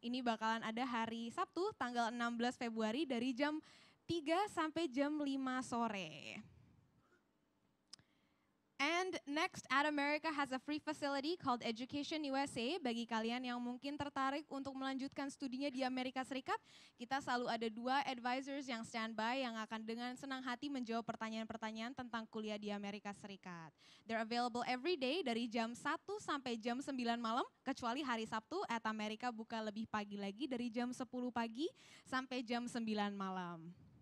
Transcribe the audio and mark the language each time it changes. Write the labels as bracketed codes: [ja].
[id] Ini bakalan ada hari Sabtu, tanggal 16 Februari, dari jam 3 sampai jam 5 sore. [en] And next, at America has a free facility called Education USA. [id] Bagi kalian yang mungkin tertarik untuk melanjutkan studinya di Amerika Serikat, kita selalu ada dua advisors yang standby yang akan dengan senang hati menjawab pertanyaan-pertanyaan tentang kuliah di Amerika Serikat. [en] They're available every day [id] dari jam 1 sampai jam 9 malam, kecuali hari Sabtu, at America buka lebih pagi lagi dari jam 10 pagi sampai jam 9 malam.